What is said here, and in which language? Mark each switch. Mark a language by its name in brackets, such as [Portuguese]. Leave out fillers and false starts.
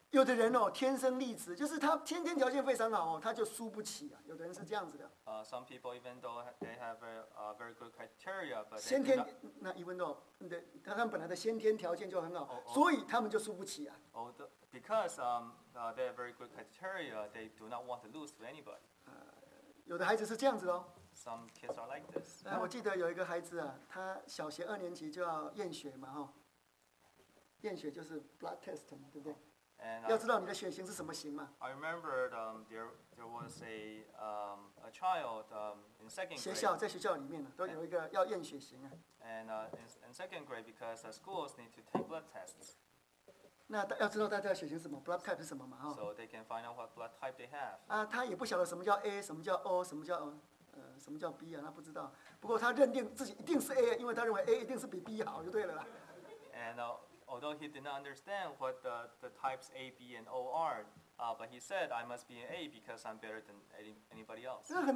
[Chinese] 有的人哦，天生丽质，就是他先天条件非常好哦，他就输不起啊。有的人是这样子的。 [English] Some people, even though they have a very good criteria, but [Chinese] 先天那，他们本来的先天条件就很好，所以他们就输不起啊。 [English] Because they have very good criteria, they do not want to lose to anybody. [Chinese] 有的孩子是这样子的哦。 [English] Some kids are like this. [Chinese] 我记得有一个孩子啊，他小学二年级就要验血嘛，吼，验血就是 blood test 嘛，对不对？要知道你的血型是什么型嘛。 [English] I remembered there was a child in second grade. [Chinese] 学校在学校里面呢，都有一个要验血型啊。 [English] And in second grade, because the schools need to take blood tests. [Chinese] 那要知道大家血型什么 ，blood type 是什么嘛，吼。 [English] So they can find out what blood type they have. [Chinese] 啊，他也不晓得什么叫 A， 什么叫 O， 什么叫。什么叫 B 啊？他不知道，不过他认定自己一定是 A， 因为他认为 A 一定是比 B 好，就对了啦。 [English] And although he did not understand what the types A, B, and O are, but he said I must be an A because I'm better than anybody else.